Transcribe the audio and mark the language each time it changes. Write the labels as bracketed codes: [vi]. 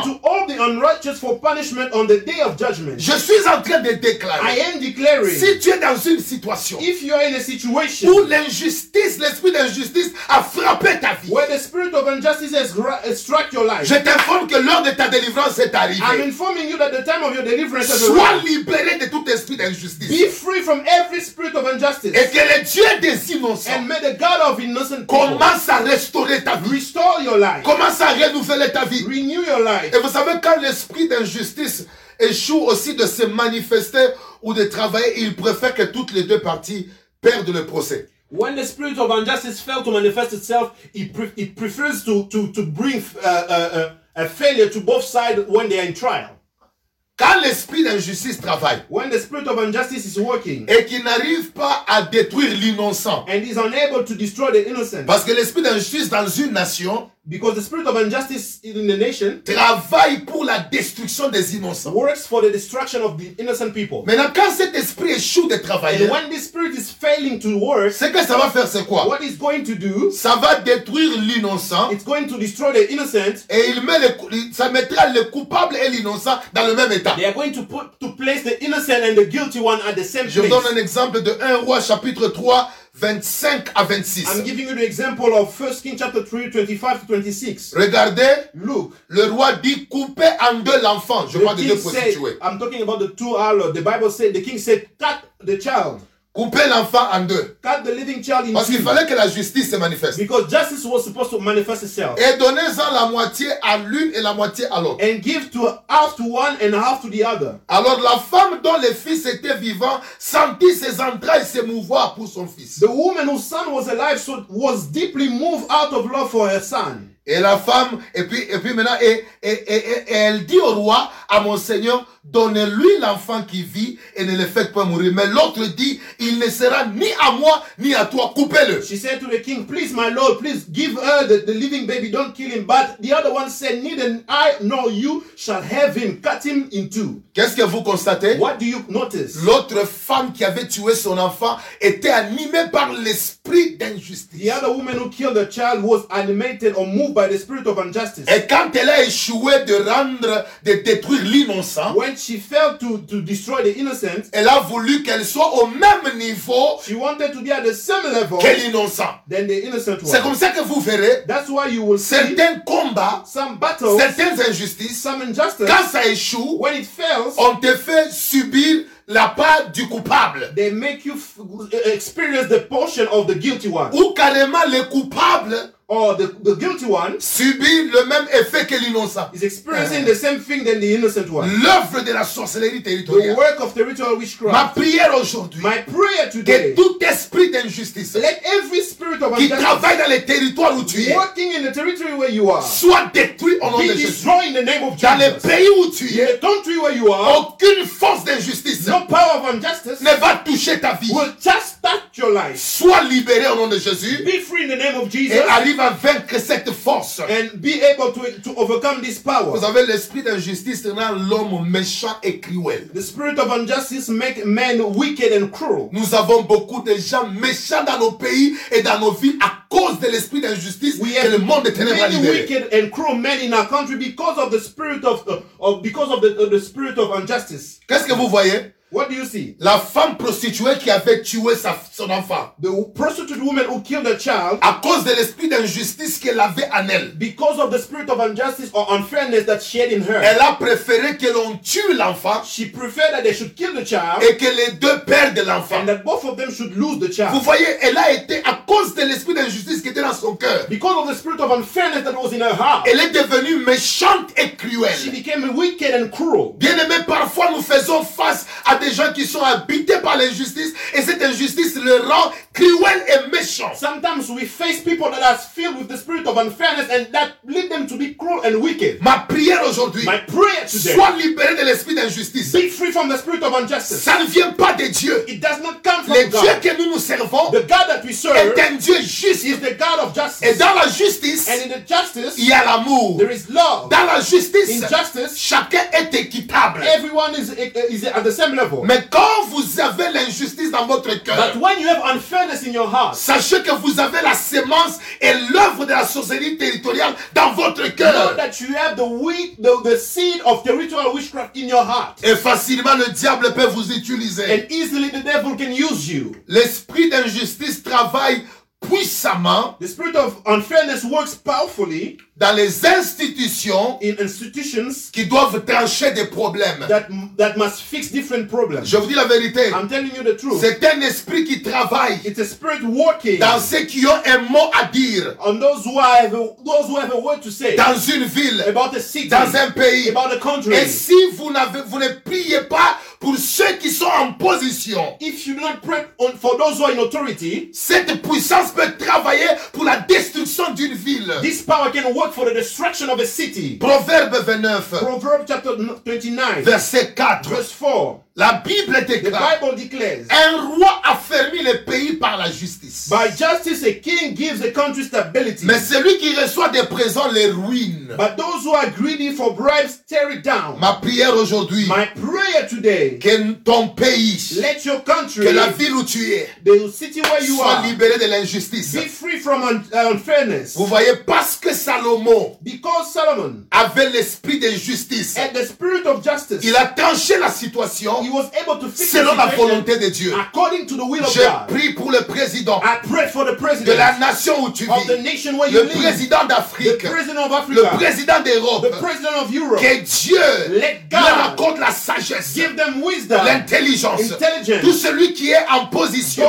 [en] And to all the unrighteous for punishment on the day of judgment. [fr] Je suis en train de déclarer. [en] I am declaring. [fr] Si tu es dans une situation. [en] If you are in a situation. [fr] Où l'injustice, l'esprit d'injustice a frappé ta vie. [en] Where the spirit of injustice has struck your life. [fr] Je t'informe que l'heure de ta délivrance est arrivée. [en] I'm informing you that the time of your deliverance has arrived. [fr] Sois libéré de tout esprit d'injustice. [en] Be free from every spirit of injustice. [fr] Et que le Dieu des innocents. [en] And may the God of innocent [fr] commence à restaurer ta vie. [en] Restore your life. [fr] Commence à renouveler ta vie. [en] Renew your life. [fr] Et vous savez, quand l'esprit d'injustice échoue aussi de se manifester ou de travailler, il préfère que toutes les deux parties perdent le procès. [en] When the spirit of injustice fails to manifest itself, it prefers to bring a failure to both sides when they are in trial. [fr] Quand l'esprit d'injustice travaille, [en] when the spirit of injustice is working, [fr] et qu'il n'arrive pas à détruire l'innocent, [en] and is unable to destroy the innocent, [fr] parce que l'esprit d'injustice dans une nation, [en] because the spirit of injustice in the nation, [fr] travaille pour la destruction des innocents, [en] works for the destruction of the innocent people. [fr] Maintenant, quand cet esprit échoue de travailler, [en] and when this spirit is failing to work, [fr] ce que ça va faire, c'est quoi? [en] What is going to do? [fr] Ça va détruire l'innocent. [en] It's going to destroy the innocent. [fr] Et ça mettra le coupable et l'innocent dans le même état. [en] They are going to place the innocent and the guilty one at the same place. [fr] Je donne un exemple de 1 Roi chapitre 3. 25 à 26. [en] I'm giving you the example of 1 Kings chapter 3, 25 to 26. [fr] Regardez. [en] Look. [fr] Le roi dit, coupez en deux l'enfant. Je parle de deux prostituées. [en] I'm talking about the two harlots. The Bible said, the king said, cut the child. [fr] Couper l'enfant en deux. [en] Cut the living child in two. [fr] Parce qu'il fallait que la justice se manifeste. [en] Because justice was supposed to manifest itself. [fr] Et donnez-en la moitié à l'une et la moitié à l'autre. [en] And give to half to one and half to the other. [fr] Alors la femme dont le fils était vivant sentit ses entrailles s'émouvoir pour son fils. [en] The woman whose son was alive so was deeply moved out of love for her son. [fr] Et la femme, et puis maintenant, et elle dit au roi, à mon Seigneur, donnez-lui l'enfant qui vit et ne le faites pas mourir. Mais l'autre dit, il ne sera ni à moi ni à toi. Coupez-le. [en] She said to the king, please, my lord, please give her the living baby. Don't kill him. But the other one said, neither I nor you shall have him. Cut him in two. [fr] Qu'est-ce que vous constatez? [en] What do you notice? [fr] L'autre femme qui avait tué son enfant était animée par l'esprit d'injustice. [en] The other woman who killed the child was animated or moved by the spirit of injustice. [fr] Et quand elle a échoué de rendre, de détruire l'innocent, [en] when she failed to destroy the innocent, [fr] elle a voulu qu'elle soit au même niveau, [en] she wanted to be at the same level [fr] que l'innocent, [en] than the innocent one. [fr] C'est comme ça que vous verrez, [en] that's why you will see [fr] certains combats, [en] some battles, [fr] certaines injustices, [en] some injustice, [fr] quand ça échoue, [en] when it fails, [fr] on te fait subir la part du coupable. [en] They make you experience the portion of the guilty one. [fr] Ou carrément le coupable, [en] or the guilty one, [fr] subit le même effet que l'innocent. [en] Is experiencing the same thing than the innocent one. [fr] L'œuvre de la sorcellerie territoriale. [en] The work of territorial witchcraft. [fr] Ma prière aujourd'hui. [en] My prayer today. [fr] Que tout esprit d'injustice. [en] Let every spirit of injustice. [fr] Qui travaille dans les territoires où tu es. [en] Working in the territory where you are. [fr] Soit détruit au nom de Jésus. [en] Be destroyed in the name of [fr] Jesus. Dans le pays où tu es. [en] In the country where you are. [fr] Aucune force d'injustice. [en] No power of injustice. [fr] Ne va toucher ta vie. [en] Will just touch your life. [fr] Soit libéré au nom de Jésus. [en] Be free in the name of Jesus. [fr] À vaincre cette force. [en] And be able to overcome this power. [fr] Vous avez l'esprit d'injustice rend l'homme méchant et cruel. [en] The spirit of injustice make men wicked and cruel. [fr] Nous avons beaucoup de gens méchants dans nos pays et dans nos villes à cause de l'esprit d'injustice que le monde des ténèbres a libéré. [en] We have many wicked and cruel men in our country because of the spirit of the spirit of injustice. [fr] Qu'est-ce que vous voyez? [en] What do you see? [fr] La femme prostituée qui avait tué son enfant. [en] The prostitute woman who killed the child. [fr] À cause de l'esprit d'injustice qu'elle avait en elle. [en] Because of the spirit of injustice or unfairness that she had in her. [fr] Elle a préféré que l'on tue l'enfant. [en] She preferred that they should kill the child. [fr] Et que les deux perdent l'enfant. [en] And that both of them should lose the child. [fr] Vous voyez, elle a été à cause de l'esprit d'injustice qui était dans son cœur. [en] Because of the spirit of unfairness that was in her heart. [fr] Elle est devenue méchante et cruelle. [en] She became wicked and cruel. [fr] Bien aimé, parfois nous faisons face à des gens qui sont habités par l'injustice et cette injustice le rend cruel et méchant. [en] Sometimes we face people that are filled with the spirit of unfairness and that lead them to be cruel and wicked. [fr] Ma prière aujourd'hui. [en] My prayer today. [fr] Sois libéré de l'esprit d'injustice. [en] Be free from the spirit of injustice. [fr] Ça ne vient pas de Dieu. [en] It does not come from [fr] le [en] God. [fr] Le Dieu que nous servons. [en] The God that we serve. [fr] Est un Dieu juste. [en] Is the God of justice. [fr] Et dans la justice. [en] And in the justice. [fr] Il y a l'amour. [en] There is love. [fr] Dans la justice. [en] In justice. [fr] Chacun est équitable. [en] Everyone is at the same level. [fr] Mais quand vous avez l'injustice dans votre cœur, [en] but when you have unfairness in your heart, [fr] sachez que vous avez la semence et l'œuvre de la sorcellerie territoriale dans votre cœur. [en] Know that you have the seed of territorial witchcraft in your heart. [fr] Et facilement le diable peut vous utiliser. [en] And easily the devil can use you. [fr] L'esprit d'injustice travaille puissamment. [en] The spirit of unfairness works powerfully. [fr] Dans les institutions, [en] in institutions [fr] qui doivent trancher des problèmes. [en] That must fix different problems. [fr] Je vous dis la vérité. [en] I'm telling you the truth. [fr] C'est un esprit qui travaille. [en] It's a spirit working. [fr] Dans ceux qui ont un mot à dire. [en] On those who have a word to say. [fr] Dans une ville. [en] About a city. [fr] Dans un pays. [en] About a country. [fr] Et si vous ne priez pas pour ceux qui sont en position. [en] If you do not pray for those who are in authority. [fr] Cette puissance peut travailler pour la destruction d'une ville. [en] This power can work for the destruction of a city. [fr] Proverbe 29. [en] Proverbs chapter 29. [fr] Verset 4. [en] Verse 4. [fr] La Bible déclare. [en] The Bible declares. [fr] Un roi affermit le pays par la justice. [en] By justice, a king gives the country stability. [fr] Mais celui qui reçoit des présents les ruine. [en] But those who are greedy for bribes tear it down. [fr] Ma prière aujourd'hui. [en] My prayer today. [fr] Que ton pays. [en] Let your country. [fr] Que la ville où tu es. [en] The city where you [fr] soit [en] are. [fr] Soit libéré de l'injustice. [en] Be free from unfairness. [fr] Vous voyez, parce que Salomon. [en] Because Solomon. [fr] Avait l'esprit d'injustice. [en] Had the spirit of justice. [fr] Il a tranché la situation. [en] He he was able to fix [fr] selon la volonté de Dieu. [en] According to the will [fr] je [en] of God. [fr] Je prie pour le président. [en] I pray for the president. [fr] De la nation où tu [en] of [fr] vis. [en] Of the nation where [fr] le [en] you live. [fr] Le président d'Afrique. [en] The president of Africa. [fr] Le président d'Europe. [en] The president of Europe. [fr] Que Dieu [en] let God [fr] leur accorde la sagesse. [en] Give them wisdom. [fr] L'intelligence. [en] Intelligence. [fr] Tout celui qui est en position.